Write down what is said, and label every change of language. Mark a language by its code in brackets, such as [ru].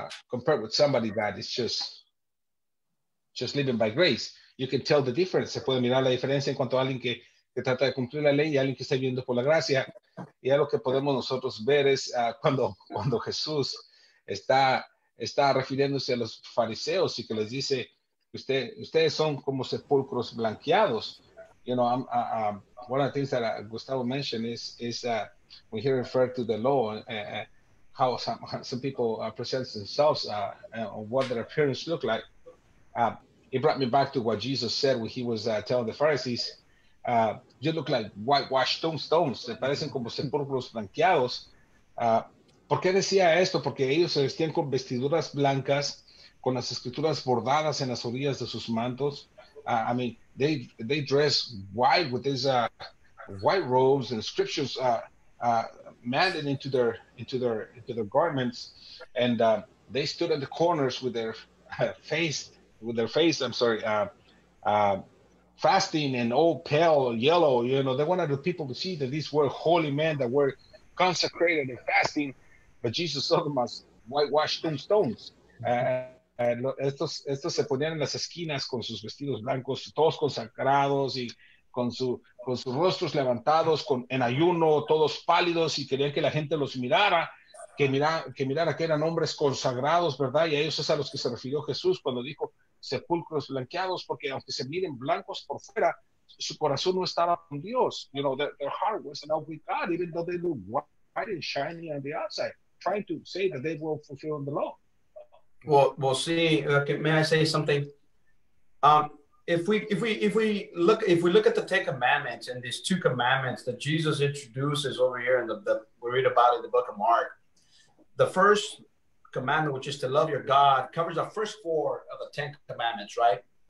[en] Compared with somebody that is just living by grace, you can tell the difference. [es] Se puede mirar la diferencia en cuanto a alguien que trata de cumplir la ley y alguien que está viviendo por la gracia. Y algo que podemos nosotros ver es cuando Jesús está refiriéndose a los fariseos y que les dice, ustedes son como sepulcros blanqueados. [en] You know, one of the things that Gustavo mentioned is when he referred to the law. How some people present themselves on what their appearance look like. It brought me back to what Jesus said when he was telling the Pharisees, you look like whitewashed tombstones, [es] se parecen como sepulcros blanqueados. ¿Por qué decía esto? Porque ellos se vestían con vestiduras blancas, con las escrituras bordadas en las orillas de sus mantos. [en] They dress white with these white robes and scriptures mandated into their garments, and they stood at the corners with their fasting and all pale yellow. You know, they wanted the people to see that these were holy men that were consecrated and fasting, but Jesus saw them as whitewashed tombstones. [es] Estos se ponían en las esquinas con sus vestidos blancos, todos consagrados y con sus rostros levantados, en ayuno, todos pálidos, y querían que la gente los mirara, que mirara que eran hombres consagrados, ¿verdad? Y a ellos es a los que se refirió Jesús cuando dijo sepulcros blanqueados, porque aunque se miren blancos por fuera, su corazón no estaba con Dios. [en] You know, their heart was not with God, even though they look white and shiny on the outside, trying to say that they were fulfilling the law. Well, see, okay, may I say something? If we look at the Ten Commandments and these two commandments that Jesus introduces over here, and that we read about in the book of Mark, the first commandment, which is to love your God, covers the first four of the Ten Commandments, right?